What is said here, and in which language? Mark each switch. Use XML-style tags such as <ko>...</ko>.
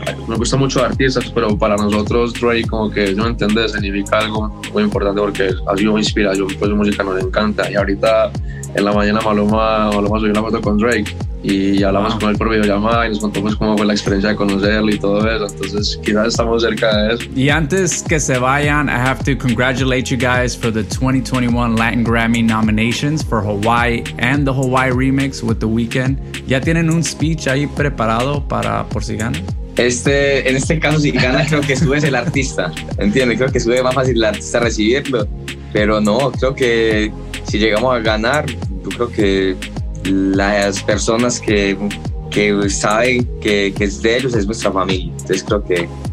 <es>Me gusta mucho artistas, pero para nosotros Drake, como que yo entiendo, significa algo muy importante porque ha sido una inspiración, pues su música nos encanta. Y ahorita en la mañana Maluma subió una foto con Drake y hablamos con él por videollamada y nos contó pues cómo fue la experiencia de conocerlo y todo eso. Entonces quizás estamos cerca de eso. Y antes que se vayan,</es> <en>I have to congratulate you guys for the 2021 Latin Grammy nominations for Hawaii and the Hawaii remix with The Weeknd.</en> <es>¿Ya tienen un speech ahí preparado para por si ganan? En este caso, si gana, creo que sube el artista, ¿entiendes? Creo que sube más fácil el artista recibirlo, pero no, creo que si llegamos a ganar, yo creo que las personas que saben que es de ellos es nuestra familia, entonces creo que</es>